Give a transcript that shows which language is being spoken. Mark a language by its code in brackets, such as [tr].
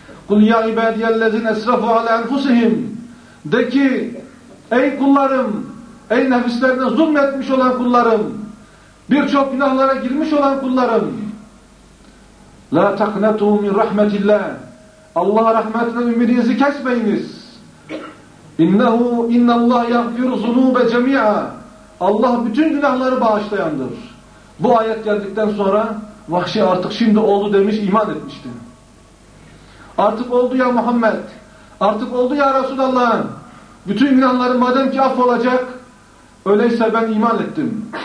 [ar] قُلْ يَا اِبَادِيَا الَّذِينَ اَسْرَفُوا عَلَى اَنْفُسِهِمْ, [tr] de ki ey kullarım, ey nefislerine zulmetmiş olan kullarım, birçok günahlara girmiş olan kullarım, [ar] لَا تَقْنَتُوا مِنْ رَحْمَةِ اللّٰهِ, [tr] Allah'a rahmetinden ümidinizi kesmeyiniz. [ar] اِنَّهُ اِنَّ اللّٰهَ يَغْفِرُ ذُنُوبَ جَمِيعًا, [tr] Allah bütün günahları bağışlayandır. Bu ayet geldikten sonra vahşi artık şimdi oldu demiş, iman etmişti. Artık oldu ya Muhammed, artık oldu ya Resulallah, bütün günahlarım madem ki affolacak, öyleyse ben iman ettim.